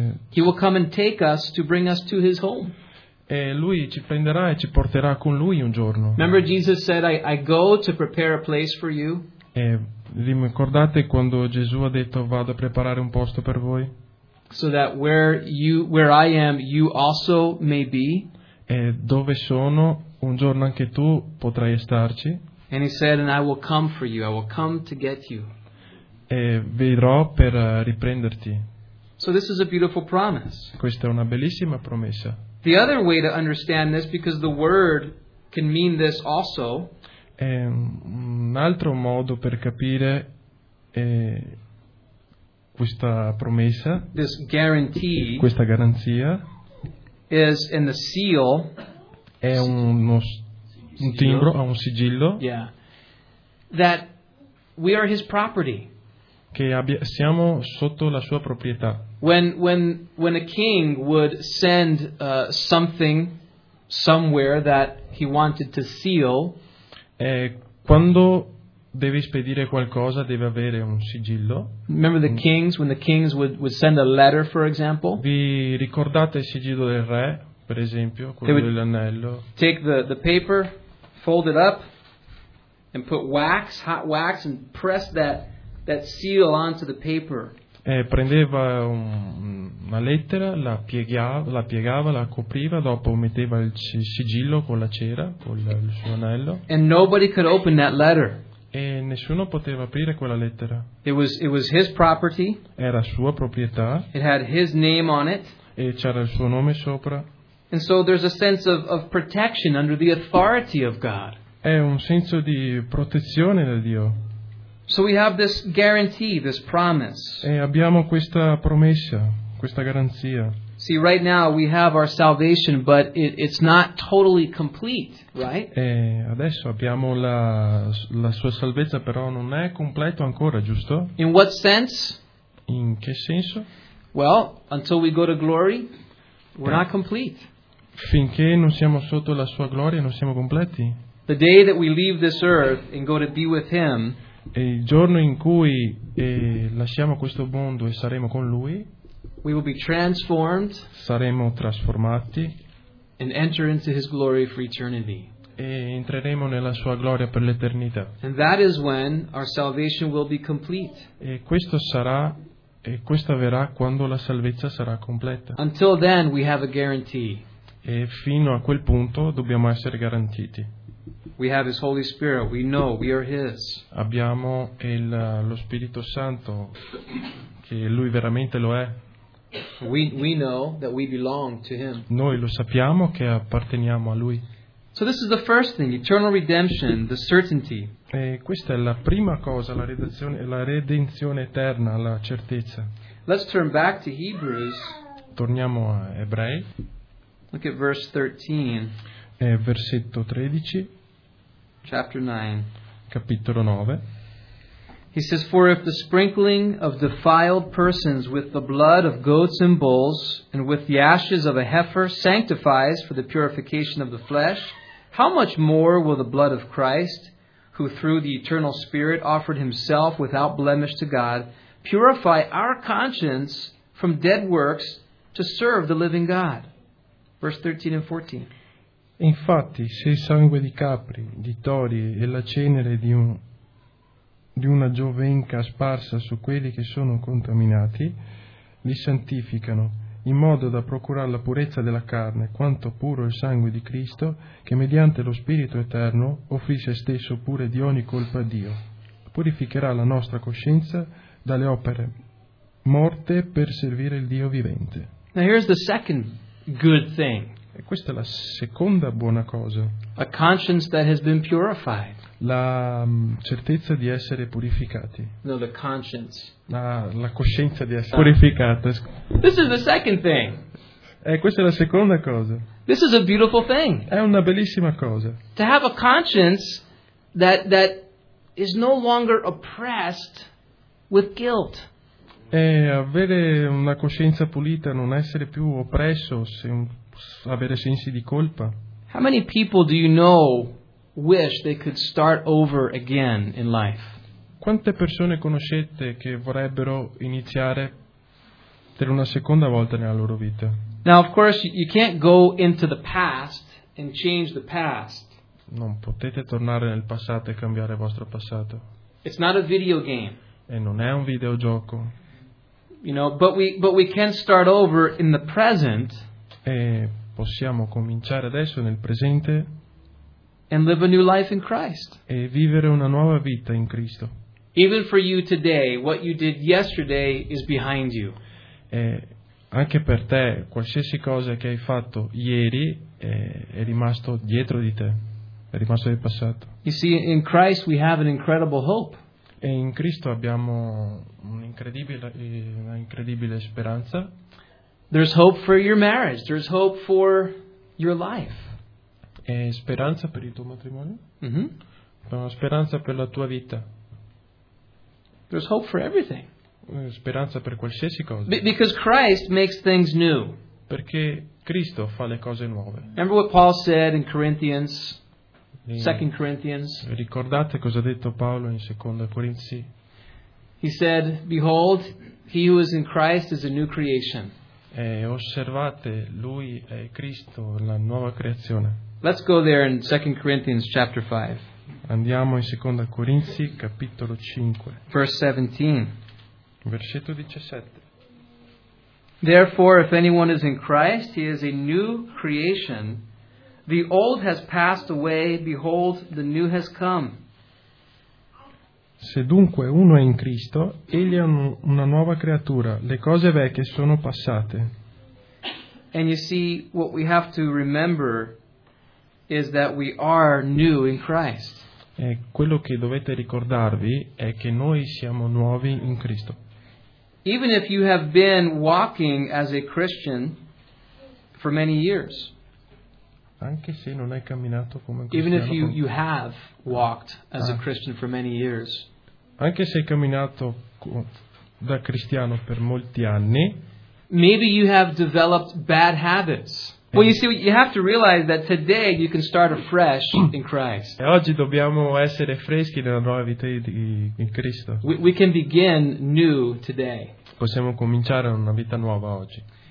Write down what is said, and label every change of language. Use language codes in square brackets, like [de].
[en] He will come and take us to bring us to his home. [it] Lui ci prenderà e ci porterà con lui un giorno. [en] Remember Jesus said I go to prepare a place for you. [it] Ricordate quando Gesù ha detto vado a preparare un posto per voi? [en] So that where I am, you also may be. [it] Dove sono, un giorno anche tu potrai starci. [en] And he said, and I will come for you. I will come to get you. [it] E vedrò per riprenderti. [en] So this is a beautiful promise. [it] Questa è una bellissima promessa. [en] The other way to understand this, because the word can mean this also. [it] È un altro modo per capire questa promessa. [en] This guarantee. [it] Questa garanzia. [en] Is in the seal. [it] È un timbro, ha un sigillo. [en] Yeah. That we are his property. [it] Che siamo sotto la sua proprietà. [en] When a king would send something somewhere that he wanted to seal, [it] quando deve spedire qualcosa deve avere un sigillo. [en] Remember the kings, when the kings would send a letter, for example. [it] Vi ricordate il sigillo del re, per esempio, quello dell'anello? [en] Take the paper, fold it up, and put wax, hot wax, and press that seal onto the paper. [it] Prendeva una lettera, la piegava, la copriva, dopo metteva il sigillo con la cera, con il suo anello. [en] And nobody could open that letter. [it] E nessuno poteva aprire quella lettera. [en] It was his property. [it] Era sua proprietà. [en] It had his name on it. [it] E c'era il suo nome sopra. [en] And so there's a sense of protection under the authority of God. [it] È un senso di protezione da Dio. [en] So we have this guarantee, this promise. [it] E abbiamo questa promessa, questa garanzia. [en] See, right now we have our salvation, but it's not totally complete, right? [it] E adesso abbiamo la sua salvezza, però non è completo ancora, giusto? [en] In what sense? [it] In che senso? [en] Well, until we go to glory, we're not complete. [it] Finché non siamo sotto la sua gloria, non siamo completi. [en] The day that we leave this earth and go to be with him. [it] E il giorno in cui lasciamo questo mondo e saremo con Lui, [en] we will be transformed, [it] saremo trasformati, [en] and enter into his glory for eternity. [it] E entreremo nella sua gloria per l'eternità. [en] And that is when our salvation will be complete. [it] E questo sarà, e questo avverrà quando la salvezza sarà completa. [en] Until then we have a guarantee. [it] E fino a quel punto dobbiamo essere garantiti. [en] We have his Holy Spirit. We know we are his. [it] Abbiamo lo Spirito Santo, che lui veramente lo è. [en] We know that we belong to him. [it] Noi lo sappiamo che apparteniamo a lui. [en] So this is the first thing, eternal redemption, the certainty. [it] E questa è la prima cosa, la redenzione eterna, la certezza. [en] Let's turn back to Hebrews. [it] Torniamo a Ebrei. [en] Look at verse 13. [it] Versetto 13. [en] Chapter 9. [it] Capitolo 9. [en] He says, for if the sprinkling of defiled persons with the blood of goats and bulls and with the ashes of a heifer sanctifies for the purification of the flesh, how much more will the blood of Christ, who through the eternal Spirit offered himself without blemish to God, purify our conscience from dead works to serve the living God? Verse 13 and 14. [it] Infatti, se il sangue di capri, di tori e la cenere di una giovenca sparsa su quelli che sono contaminati, li santificano, in modo da procurare la purezza della carne, quanto puro il sangue di Cristo, che mediante lo Spirito Eterno offrì se stesso pure di ogni colpa a Dio, purificherà la nostra coscienza dalle opere morte per servire il Dio vivente. [en] Now here's the second good thing. [it] E questa è la seconda buona cosa. [en] A conscience that has been purified. [it] La certezza di essere purificati. [en] No, the conscience. [it] La coscienza di essere purificata. [en] This is the second thing. [it] E questa è la seconda cosa. [en] This is a beautiful thing. [it] È una bellissima cosa. [en] To have a conscience that is no longer oppressed with guilt. [it] E avere una coscienza pulita, non essere più oppresso, avere sensi di colpa. [en] How many people do you know wish they could start over again in life? [it] Quante persone conoscete che vorrebbero iniziare per una seconda volta nella loro vita? [en] Now of course you can't go into the past and change the past. [it] Non potete tornare nel passato e cambiare il vostro passato. [en] It's not a video game. [it] E non è un videogioco. [en] You know, but we can start over in the present. [it] E possiamo cominciare adesso nel presente. [en] and live a new life in Christ. [it] E vivere una nuova vita in Cristo. [en] Even for you today, what you did yesterday is behind you. [it] E anche per te, qualsiasi cosa che hai fatto ieri è rimasto dietro di te, è rimasto nel passato. [en] You see, in Christ we have an incredible hope. [it] E in Cristo abbiamo un'incredibile speranza. [en] There's hope for your marriage. There's hope for your life. [it] E speranza per il tuo matrimonio. Mm-hmm. Speranza per la tua vita. [en] There's hope for everything. [it] Speranza per qualsiasi cosa. [en] Because Christ makes things new. [it] Perché Cristo fa le cose nuove. [en] Remember what Paul said in Corinthians, 2 Corinthians. [it] Ricordate cosa ha detto Paolo in Seconda Corinzi. [en] He said, "Behold, he who is in Christ is a new creation." [it] E osservate, lui è Cristo, la nuova creazione. [en] Let's go there in 2 Corinthians chapter 5. [it] Andiamo in Seconda Corinzi capitolo 5. [en] Verse 17. [it] Versetto 17. [en] Therefore, if anyone is in Christ, he is a new creation. The old has passed away, behold, the new has come. [it] Se dunque uno è in Cristo, egli è una nuova creatura, le cose vecchie sono passate. [en] And you see, what we have to remember is that we are new in Christ. [it] E quello che dovete ricordarvi è che noi siamo nuovi in Cristo. [en] Even if you have been walking as a Christian for many years, [it] anche se non hai camminato come cristiano, [en] even if you have walked as a Christian for many years, [it] anche se hai camminato da cristiano per molti anni, [en] maybe you have developed bad habits. Well, you see, you have to realize that today you can start afresh in Christ. [it] E oggi dobbiamo essere freschi nella nuova vita in Cristo. [en] We can begin new today. [it] Possiamo cominciare una vita nuova oggi.